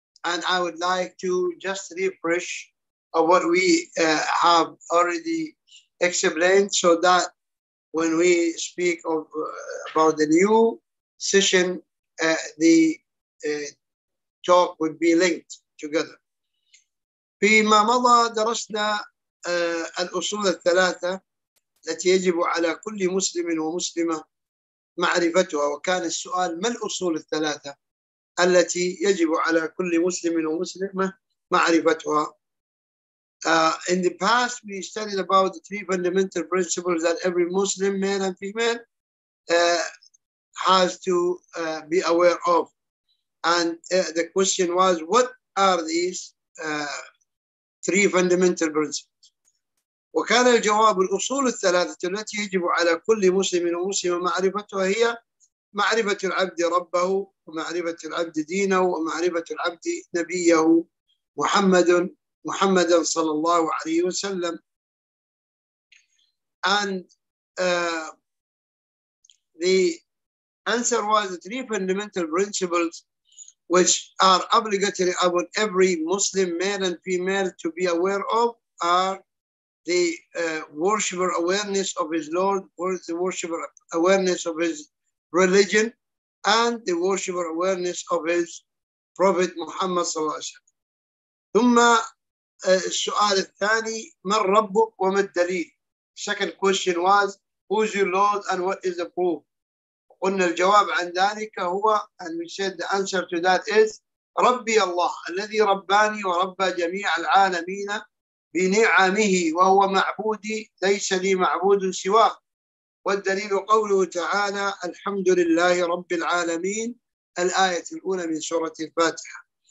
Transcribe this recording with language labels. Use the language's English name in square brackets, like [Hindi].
[English] And I would like to just refresh what we have already explained so that when we speak of about the new session, the talk would be linked together. [Arabic] فيما مضى درسنا الأصول الثلاثة التي يجب على كل مسلم ومسلمة معرفتها وكان السؤال ما الأصول الثلاثة التي يجب على كل مسلم ومسلمة معرفتها. [English] In the past, we studied about the three fundamental principles that every Muslim, male and female, has to be aware of. And the question was, what are these three fundamental principles? [Arabic] وكان الجواب الأصول الثلاثة التي يجب على كل مسلم ومسلمة معرفتها هي معرفة العبد ربه ومعرفة العبد دينه ومعرفة العبد نبيه محمد صلى الله عليه وسلم. [English] And the answer was the three fundamental principles which are obligatory upon every Muslim male and female to be aware of are the worshiper awareness of his Lord, or the worshiper awareness of his religion, and the worshiper awareness of his Prophet Muhammad [Arabic] صلى الله عليه وسلم. ثم السؤال الثاني من ربك وما الدليل. [English] Second question was, who is your Lord and what is the proof? [Arabic] قلنا الجواب عن ذلك هو, [English] and we said the answer to that is [Arabic] ربي الله الذي رباني وربى جميع العالمين بنعمه وهو معبودي ليس لي معبود سواه. والدليل قوله تعالى الحمد لله رب العالمين الآية الأولى من سورة الفاتحة.